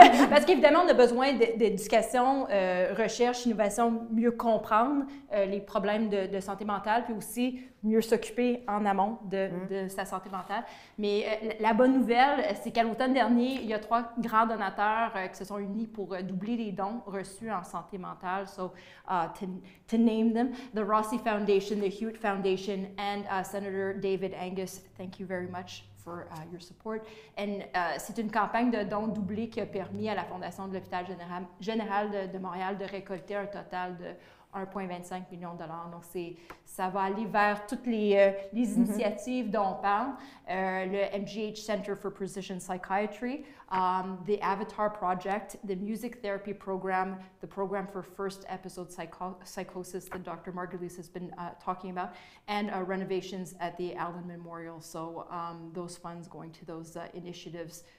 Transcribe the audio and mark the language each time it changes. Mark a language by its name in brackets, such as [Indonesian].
[French] Parce qu'évidemment, on a besoin d'éducation, recherche, innovation, mieux comprendre les problèmes de santé mentale, puis aussi mieux s'occuper en amont de sa santé mentale. Mais la bonne nouvelle, c'est qu'à l'automne dernier, il y a 3 grands donateurs qui se sont unis pour doubler les dons reçus en santé mentale. [English] So, to name them, the Rossi Foundation, the Hewitt Foundation, and Senator David Angus, thank you very much for your support. [French] And c'est une campagne de dons doublés qui a permis à la Fondation de l'Hôpital Général de Montréal de récolter un total de 1,25 million de dollars. Donc, ça va aller vers toutes les initiatives dont on parle. [English] Le MGH Center for Precision Psychiatry, the Avatar Project, the Music Therapy Program, the Program for First Episode Psychosis that Dr. Margulies has been talking about, and renovations at the Allen Memorial. So, those funds going to those initiatives